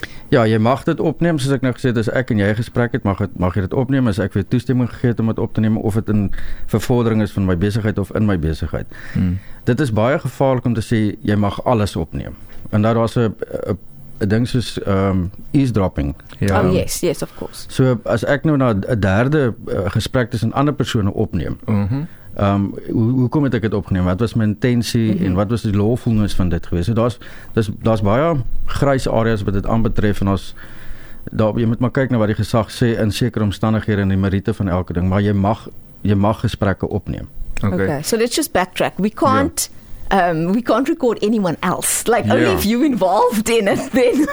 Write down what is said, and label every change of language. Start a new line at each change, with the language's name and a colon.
Afrikaans: Ja, jy mag dit opneem, soos ek nou gesê het, as ek en jy gesprek het, mag jy dit opneem, as ek weer toestemming gegee het om dit op te neem, of dit in vervordering is van my besigheid of in my besigheid. Hmm. Dit is baie gevaarlik om te sê, jy mag alles opneem. En daar was een ding soos eavesdropping.
English: Ja. Oh yes, yes, of course.
Afrikaans: So as ek nou na een derde gesprek tussen ander persone opneem, hoekom het ek het opgeneem? Wat was my intentie en wat was die lawfulness van dit gewees? So daar's baie grys areas wat dit aanbetref en as daar, jy moet maar kyk na wat die gesag sê in sekere omstandighede en die meriete van elke ding, maar jy mag gesprekke opneem. Okay.
English: So let's just backtrack. We can't record anyone else. Like, only if you're involved in it then.